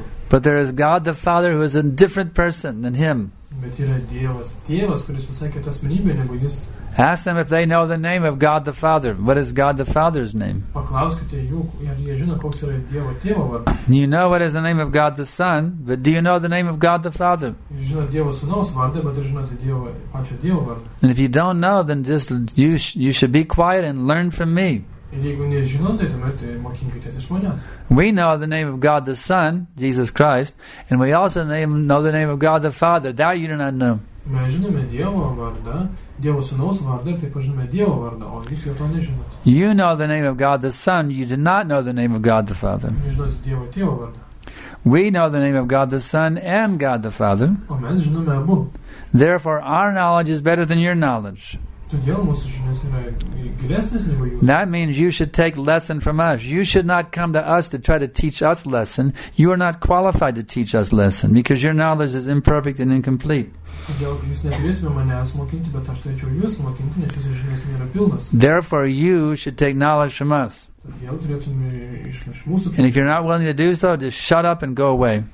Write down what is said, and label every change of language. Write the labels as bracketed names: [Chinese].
[English] But there is God the Father who is a different person than him. [Lithuanian] Bet yra Dievas Tėvas, kuris visai kita asmenybė negu jis. [English] Ask them if they know the name of God the Father. What is God the Father's name? [Lithuanian] Paklauskite jų, ar jie žino, koks yra Dievo Tėvo vardas. [English] You know what is the name of God the Son, but do you know the name of God the Father? [Lithuanian] Žino Dievo Sūnaus vardą, bet ar žinote Dievo pačio Dievo vardą. [English] And if you don't know, then just you should be quiet and learn from me. [Lithuanian] Ir jeigu nežinote, tuomet mokinkitės iš manęs. [English] We know the name of God the Son, Jesus Christ, and we also know the name of God the Father. That you do not know. [Lithuanian] Mes žinome Dievo vardą, Dievo Sūnaus vardą, ir taip pat žinome Dievo vardą, o jūs jo to nežinote. [English] You know the name of God the Son, you do not know the name of God the Father. [Lithuanian] Mes žinote Dievo Tėvo vardą. [English] We know the name of God the Son and God the Father. [Lithuanian] O mes žinome abu. [English] Therefore, our knowledge is better than your knowledge. [Lithuanian] Todėl mūsų žinios yra gilesnės negu jūsų. [English] That means you should take lesson from us. You should not come to us to try to teach us lesson. You are not qualified to teach us lesson because your knowledge is imperfect and incomplete. [Lithuanian] Todėl jūs neturėtume manęs mokinti, bet aš turėčiau jūs mokinti, nes jūsų žinios nėra pilnas. [English] Therefore, you should take knowledge from us. [Lithuanian] Todėl turėtume iš mūsų. [English] And if you're not willing to do so, just shut up and go away.